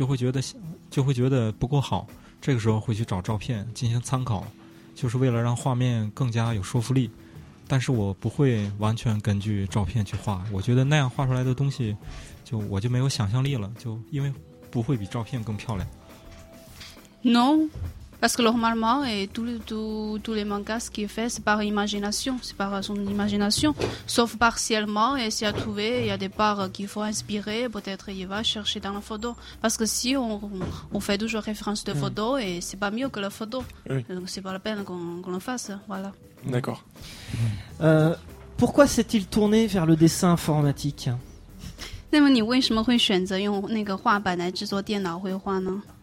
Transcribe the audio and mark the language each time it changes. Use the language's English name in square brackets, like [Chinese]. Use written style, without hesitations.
[Chinese] 不太多吧，我一般喜欢自己靠想象力去画，但是画到一些局部的时候，一些细节部分就会觉得不够好。这个时候会去找照片进行参考，就是为了让画面更加有说服力。但是我不会完全根据照片去画，我觉得那样画出来的东西，就我就没有想象力了，就因为不会比照片更漂亮。 [French] Non, parce que normalement, et tous les mangas, ce qu'il fait, c'est par imagination, c'est par son imagination, sauf partiellement, et s'il a trouvé, il y a des parts qu'il faut inspirer, peut-être il va chercher dans la photo. Parce que si on fait toujours référence de photo, et c'est pas mieux que la photo, oui. Donc c'est pas la peine qu'on le fasse, voilà. D'accord. Pourquoi s'est-il tourné vers le dessin informatique ? [Chinese] 那么你为什么会选择用那个画板来制作电脑绘画呢？